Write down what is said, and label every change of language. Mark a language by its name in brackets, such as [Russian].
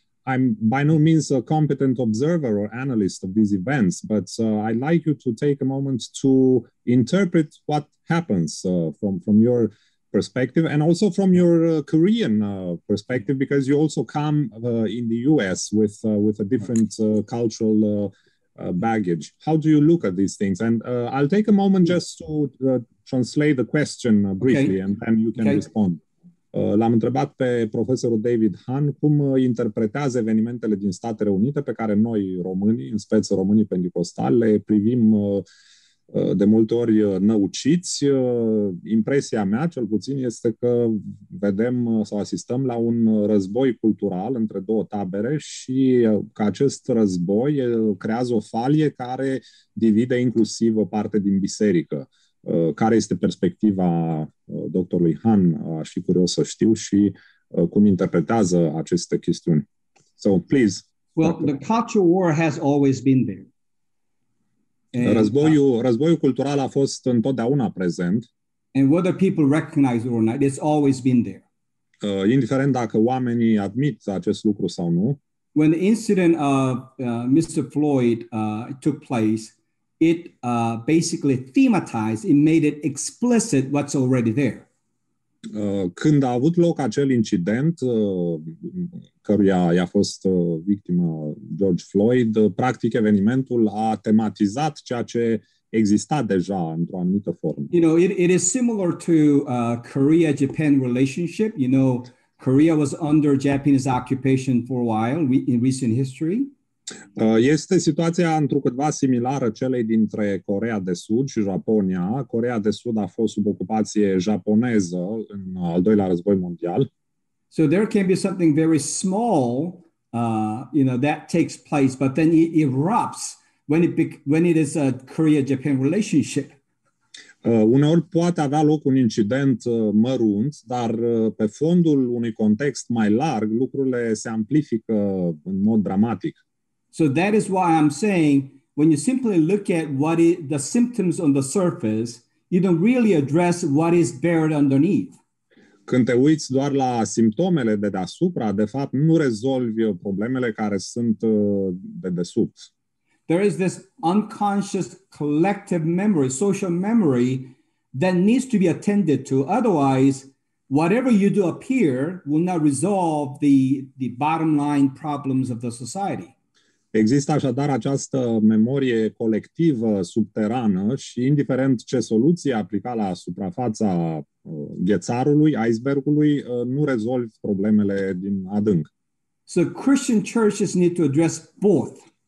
[English] I'm by no means a competent observer or analyst of these events, but I'd like you to take a moment to interpret what happens from your perspective, and also from your Korean perspective, because you also come in the U.S. with a different cultural baggage. How do you look at these things? And I'll take a moment just to translate the question briefly, okay. And then you can respond. [Romanian] L-am întrebat pe profesorul David Han cum interpretează evenimentele din Statele Unite pe care noi românii, în speță românii pentecostali, le privim de multe ori năuciți. Impresia mea, cel puțin, este că vedem sau asistăm la un război cultural între două tabere și că acest război creează o falie care divide inclusiv o parte din biserică. Care este perspectiva doctorului Han? Aș fi curios să știu și cum interpretează aceste chestiuni. [English] So, please. Well, the culture war has always been there. [Romanian] Războiul cultural a fost întotdeauna prezent. [English] And whether people recognize it or not, it's always been there. [Romanian] Indiferent dacă oamenii admit acest lucru sau nu. [English] When the incident of Mr. Floyd took place, it basically thematized, it made it explicit what's already there. [Romanian] Când a avut loc acel incident căruia i-a fost victimă George Floyd, practic evenimentul a tematizat ceea ce exista deja într-o anumită formă. [English] You know, it is similar to Korea-Japan relationship. You know, Korea was under Japanese occupation for a while in recent history. [Romanian] Este situația întrucâtva similară celei dintre Coreea de Sud și Japonia. Coreea de Sud a fost sub ocupație japoneză în al doilea război mondial. [English] So there can be something very small, you know, that takes place, but then it erupts when it is a Korea-Japan relationship. [Romanian] Uneori poate avea loc un incident mărunt, dar pe fondul unui context mai larg, lucrurile se amplifică în mod dramatic. [English] So that is why I'm saying, when you simply look at what is the symptoms on the surface, you don't really address what is buried underneath. [Romanian] Când te uiți doar la simptomele de deasupra, de fapt nu rezolvi problemele care sunt dedesubt. [English] There is this unconscious collective memory, social memory, that needs to be attended to. Otherwise, whatever you do up here will not resolve the bottom line problems of the society. [Romanian] Există așadar această memorie colectivă subterană și indiferent ce soluție aplica la suprafața ghețarului, icebergului, nu rezolvi problemele din adânc. [English] So Christian churches need to address both.